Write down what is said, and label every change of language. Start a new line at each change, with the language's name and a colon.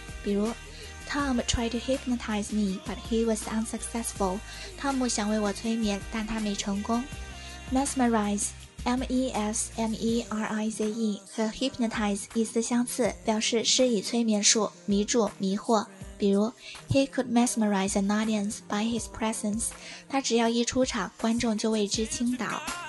Chinese: 比如
English: ,Tom tried to hypnotize me, but he was unsuccessful.
Chinese: Tom 想为我催眠，但他没成功。Mesmerize,M-E-S-M-E-R-I-Z-E 和 hypnotize 意思相似，表示施以催眠术，迷住，迷惑。比如
English: He could mesmerize an audience by his presence.
Chinese: 他只要一出场，观众就为之倾倒。